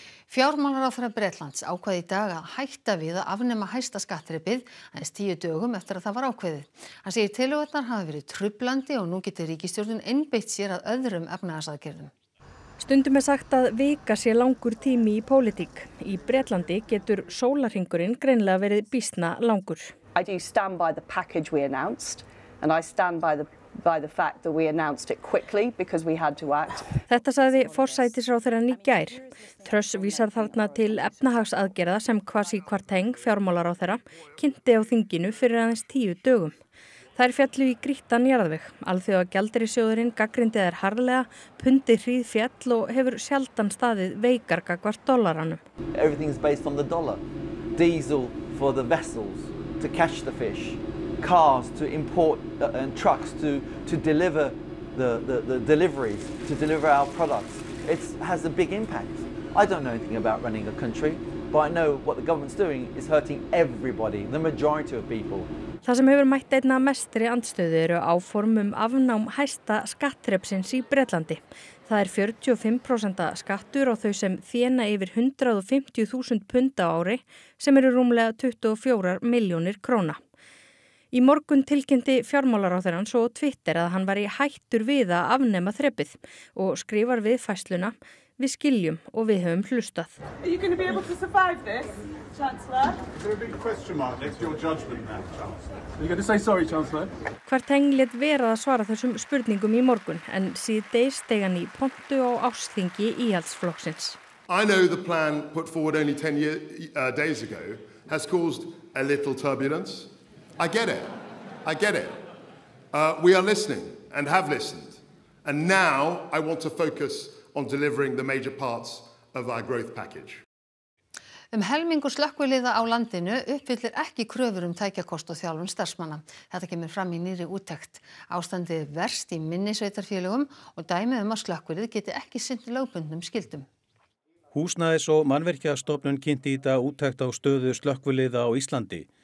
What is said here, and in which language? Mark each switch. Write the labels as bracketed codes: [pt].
[is] Fjármálaráðherra Bretlands ákvað í dag að hætta við að afnema hæsta skattþrepið aðeins 10 dögum eftir að það var ákveðið. Hann segir tillögurnar hafa verið truflandi og nú getur ríkisstjórnin einbeitt sér að öðrum efnahagsaðgerðum. Stundum sagt að vika sé langur tími í pólitík. Í Bretlandi getur sólarhringurinn greinlega verið býsna langur. [en] I do stand by the package we announced and I stand by the fact that we announced it quickly because we had to act. [is] Þetta sagði forsætisráðherrann í gær. Truss vísar þarna til efnahagsaðgerða sem Kwasi Kwarteng fjármálaráðherra kynnti á þinginu fyrir aðeins 10 dögum. Þær féllu í grýttan jarðveg. Alþjóða gjaldeyrissjóðurinn gagnrýndi þær harðlega, pundið hríðféll og hefur sjaldan staðið veikar gagnvart dollaranum. [en] Everything is based on the dollar. Diesel for the vessels to catch the fish. Cars to import and trucks to deliver the deliveries to deliver our products. It has a big impact. I don't know anything about running a country, but I know what the government's doing is hurting everybody, the majority of people. [is] Það sem hefur mætt einna mestri andstöðu eru áform afnám hæsta skattþrepsins í Bretlandi. Það 45% skattur á þau sem þéna yfir 150.000 pund á ári sem eru rúmlega 24 milljónir króna. Í morgun tilkynnti fjármálaráðherrann svo Twitter að hann var í hættur við að afnema þrepið og skrifar við færsluna við skiljum og við höfum hlustað. [en] Are you going to be able to survive this, Chancellor? There's a big question mark next to your judgment now, Chancellor. Are you going to say sorry, Chancellor? [is] Kwarteng lét vera að svara þessum spurningum í morgun en síðdegis steig hann í pontu á ársþingi íhaldsflokksins. [en] I know the plan put forward only 10 days ago has caused a little turbulence. I get it. We are listening and have listened. And now I want to focus on delivering the major parts of our growth package. [is] Helmingur slökkviliða á landinu uppfyllir ekki kröfur tækjakost og þjálfun starfsmanna. Þetta kemur fram í nýrri úttekt. Ástandið verst í minni sveitarfélögum og dæmi að slökkvilið geti ekki sinnt lögbundnum skyldum. Húsnæðis- og mannvirkjastofnun kynnti í dag úttekt á stöðu slökkviliða á Íslandi.